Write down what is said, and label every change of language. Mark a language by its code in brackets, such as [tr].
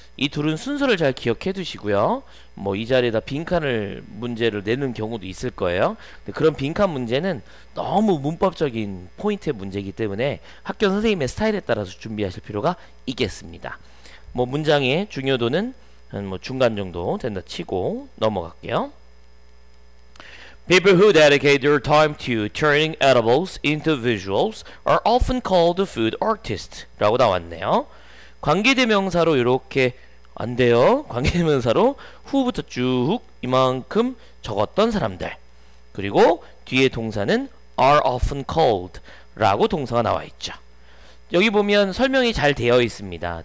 [ko] 이 둘은 순서를 잘 기억해 두시고요. 뭐 이 자리에다 빈칸을 문제를 내는 경우도 있을 거예요. 근데 그런 빈칸 문제는 너무 문법적인 포인트의 문제이기 때문에 학교 선생님의 스타일에 따라서 준비하실 필요가 있겠습니다. 뭐 문장의 중요도는 한 뭐 중간 정도 된다 치고 넘어갈게요. [en] People who dedicate their time to turning edibles into visuals are often called food artists [ko] 라고 나왔네요. 관계대명사로 이렇게 안 돼요. 관계대명사로 후부터 쭉 이만큼 적었던 사람들 그리고 뒤에 동사는 [en] are often called [ko] 라고 동사가 나와 있죠. 여기 보면 설명이 잘 되어 있습니다.